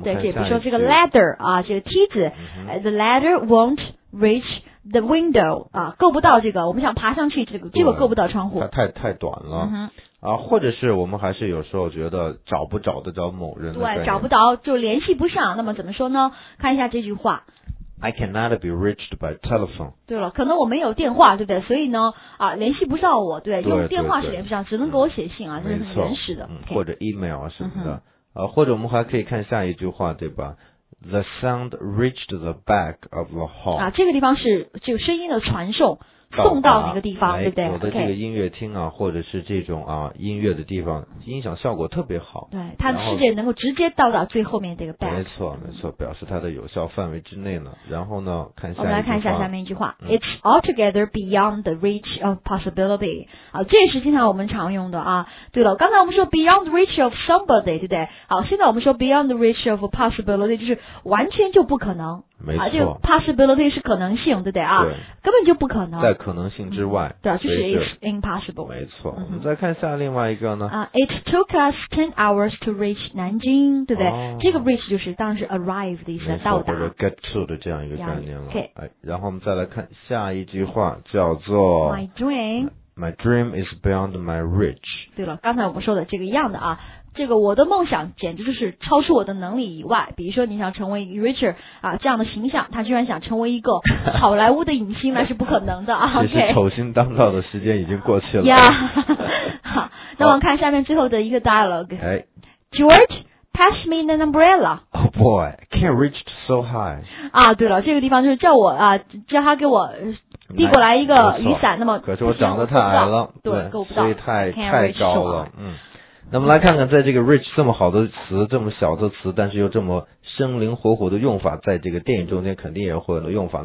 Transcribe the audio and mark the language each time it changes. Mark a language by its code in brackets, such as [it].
[zh] 对，比如说这个 ladder 啊，这个梯子、嗯、 [en] ，the ladder won't reach。 The window [zh] 啊，够不到这个，我们想爬上去，这个够不到窗户，太短了、嗯、啊，或者是我们还是有时候觉得找不着的找某人的，对，找不着就联系不上，那么怎么说呢？看一下这句话 [en] ，I cannot be reached by telephone。 [zh] 对了，可能我没有电话，对不对？所以呢，啊，联系不上我，对，用电话是联系不上，只能给我写信啊，嗯、这是很原始的，嗯、或者 email 什么的、嗯，啊，或者我们还可以看下一句话，对吧？ [en] The sound reached the back of the hall。 [zh] 啊，这个地方是就声音的传送送到哪个地方，对不对？有的这个音乐厅啊，或者是这种啊音乐的地方，音响效果特别好。对，它的世界能够直接到达最后面这个 back。没错，没错，表示它的有效范围之内呢。然后呢，看下我们来看一下下面一句话、 [en] 嗯、：It's altogether beyond the reach of possibility。 [zh] 啊，这也是经常我们常用的啊。对了，刚才我们说 [en] beyond the reach of somebody， [zh] 对不对？好，现在我们说 [en] beyond the reach of possibility， [zh] 就是完全就不可能。没错、啊、这个 possibility 是可能性，对不对啊？对，根本就不可能，在可能性之外、嗯、对啊，就是 [en] it's impossible。 [zh] 没错、嗯、我们再看下另外一个呢、 [en] It took us 10 hours to reach 南京， [zh] 对不对、哦、这个 reach 就是当时 arrive 的意思，到达或者 [en] get to [zh] 的这样一个概念了、 [en] yeah， okay。 [zh] 哎、然后我们再来看下一句话叫做 [en] My dream is beyond my reach。 [zh] 对了，刚才我们说的这个一样的啊，这个我的梦想简直就是超出我的能力以外，比如说你想成为 Richard 啊这样的形象，他居然想成为一个好莱坞的影星，那是不可能的啊！也是丑星当道的时间已经过去了。呀、 [en] yeah， [zh] ，那我们看下面最后的一个 dialogue。哎、 [en] George， pass me an umbrella。 Oh boy， can't reach so high。 [zh] 啊，对了，这个地方就是叫我啊，叫他给我递过来一个雨伞，那么可是我长得太矮了，对，够不到，所以太高了， [en] so、嗯。 [zh] 那么来看看在这个 rich 这么好的词，这么小的词，但是又这么生灵活活的用法，在这个电影中间肯定也会有用法。